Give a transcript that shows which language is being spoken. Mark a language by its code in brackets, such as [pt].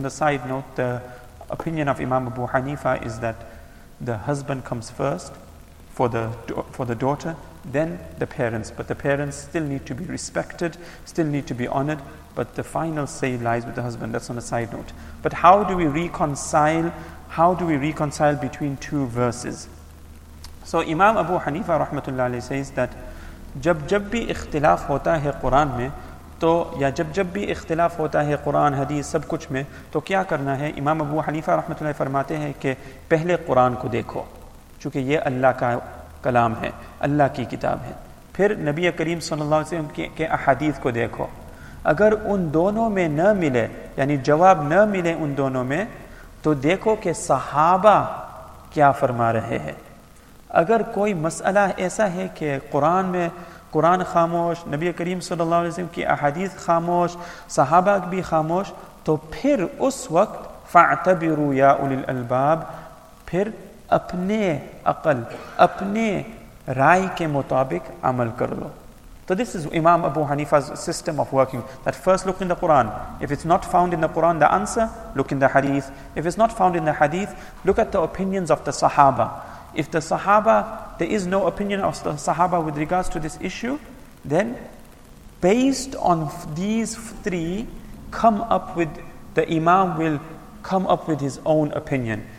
[en] On the side note, the opinion of Imam Abu Hanifa is that the husband comes first for the daughter, then the parents. But the parents still need to be respected, still need to be honored, but the final say lies with the husband. That's on a side note. But how do we reconcile between two verses? So Imam Abu Hanifa rahmatullah alayhi says that [ur] jab jab bhi ikhtilaf hota hai Quran mein, تو یا جب جب بھی اختلاف ہوتا ہے قرآن حدیث سب کچھ میں تو کیا کرنا ہے. امام ابو حنیفہ رحمت اللہ فرماتے ہیں کہ پہلے قرآن کو دیکھو, چونکہ یہ اللہ کا کلام ہے, اللہ کی کتاب ہے. پھر نبی کریم صلی اللہ علیہ وسلم کے احادیث کو دیکھو, اگر ان دونوں میں نہ ملے, یعنی جواب نہ ملے ان دونوں میں, تو دیکھو کہ صحابہ کیا فرما رہے ہیں. اگر کوئی مسئلہ ایسا ہے کہ قرآن میں قرآن خاموش, نبی کریم صلی اللہ علیہ وسلم کی احادیث خاموش, صحابہ بھی خاموش, تو پھر اس وقت فاعتبروا یا اولی الالباب, پھر اپنے عقل اپنے رائے کے مطابق عمل کر لو. [en] So this is Imam Abu Hanifa's system of working, that first look in the Quran. If it's not found in the Quran, the answer, look in the Hadith. If it's not found in the Hadith, look at the opinions of the Sahaba. If the Sahaba, there is no opinion of the Sahaba with regards to this issue, then based on these three, the Imam will come up with his own opinion.